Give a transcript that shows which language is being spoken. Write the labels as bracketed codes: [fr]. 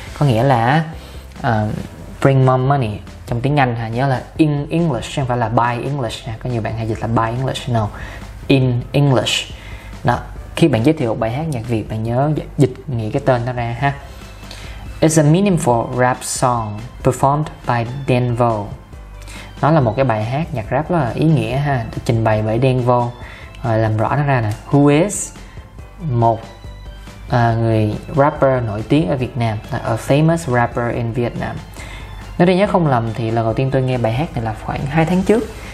[vi] Có nghĩa là [en] bring more money [vi] trong tiếng Anh ha, nhớ là in English chứ không phải là by English nha. Có nhiều bạn hay dịch là by English, no, in English. Đó, khi bạn giới thiệu bài hát nhạc Việt, bạn nhớ dịch nghĩa cái tên nó ra ha. [en] It's a meaningful rap song performed by Đen Vô. [vi] Nó là một cái bài hát nhạc rap rất là ý nghĩa ha, được trình bày bởi Đen Vô. Rồi làm rõ nó ra nè, [en] who is [vi] một người rapper nổi tiếng ở Việt Nam, [en] a famous rapper in Vietnam. [vi] Nếu tôi nhớ không lầm thì lần đầu tiên tôi nghe bài hát này là khoảng 2 tháng trước.